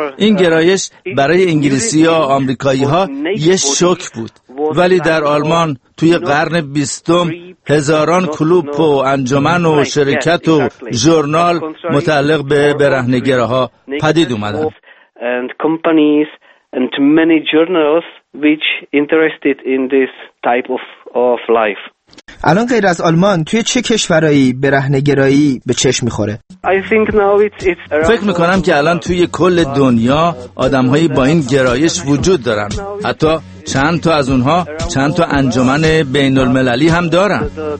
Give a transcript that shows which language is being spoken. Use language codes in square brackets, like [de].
[fa] این گرایش برای انگلیسی ها، آمریکایی ها یه شوک بود، ولی در آلمان توی قرن 20 هزاران کلوب و انجمن و شرکت و ژورنال متعلق به برهنه‌گراها پدید اومدن. [en] And many journals which interested in this type of life. [fa] الان غیر از آلمان توی چه کشورهایی برهنه‌گرایی به چشم میخوره؟ فکر میکنم که الان توی کل دنیا آدمهایی با این گرایش وجود دارن، حتی چند تا از اونها چند تا انجمن بین المللی هم دارن.